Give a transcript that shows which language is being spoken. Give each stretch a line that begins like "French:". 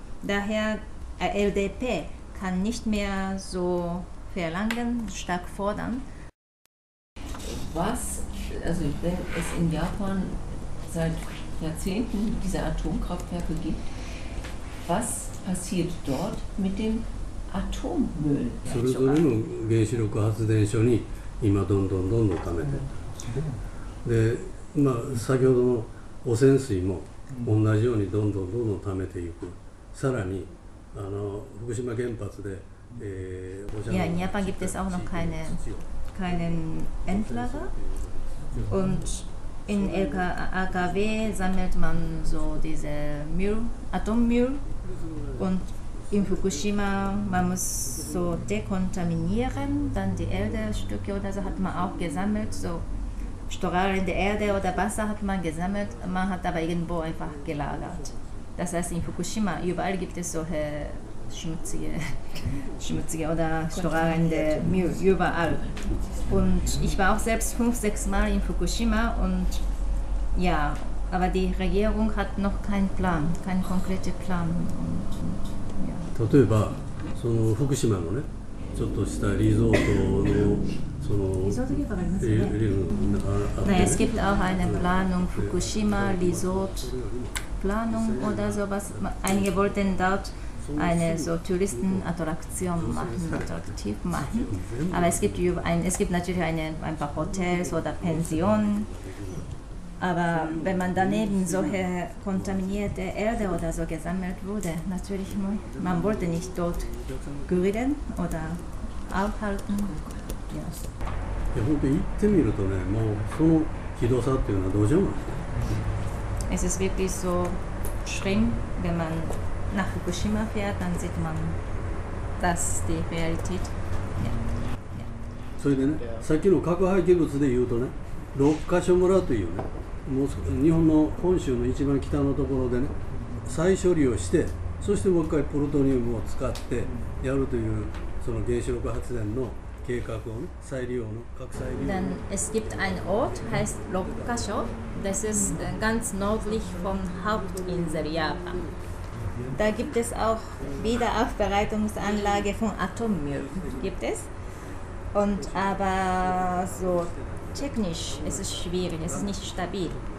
German: Daher, LDP kann nicht mehr so verlangen, stark fordern. Was, also wenn es in Japan seit Jahrzehnten diese Atomkraftwerke gibt, was passiert dort mit dem Atommüll?
Japanese: それぞれの原子力発電所に今どんどんどんどん溜めてる。で、まあ先ほどの汚染水も同じようにどんどんどんどん溜めていく。さらに福島原発で、
German: Ja, in Japan gibt es auch noch keinen Endlager. Und in AKW sammelt man so diese Müll, Atommüll. Und in Fukushima, man muss so dekontaminieren, dann die Erdestücke oder so hat man auch gesammelt, so strahlende Erde oder Wasser hat man gesammelt, man hat aber irgendwo einfach gelagert. Das heißt, in Fukushima, überall gibt es solche schmutzige oder strahlende Müll, überall. Und ich war auch selbst 5-6 Mal in Fukushima und ja,Aber die Regierung hat noch keinen Plan, keinen konkreten Plan. Und,
Japanese: ja. 例えば、その福島のね、ちょっとしたリゾートのそのリゾートがありますね。
German: Nein, es gibt auch eine Planung Fukushima Resort Planung oder sowas. Einige wollten dort eine so Touristenattraktion machen, attraktiv machen. Aber es gibt natürlich ein paar Hotels oder Pensionen. Aber wenn man daneben solche kontaminierte Erde oder so gesammelt wurde, natürlich, man wollte nicht dort grillen oder aufhalten. Ja,
Japanese: ja 本当に行ってみるとね、もうそのひどさっていうのはどうしようもない。
German: Es ist wirklich so schlimm, wenn man nach Fukushima fährt, dann sieht man, dass die Realität. Ja.
Japanese: それでね、さっきの核廃棄物で言うとね、六ヶ所村というね、もう日本の本州の一番北のところでね再処理をしてそしてもう一回プルトニウムを使ってやるというその原子力発電の計画をね再利用の核再利用
German: Then, Es gibt ein Ort, heißt Rokkasho. Das ist ganz nördlich von Hauptinsel Japan. Da gibt es auch Wiederaufbereitungsanlage von Atommüll. Gibt es. Und aber soTechnisch ist es schwierig, es ist nicht stabil.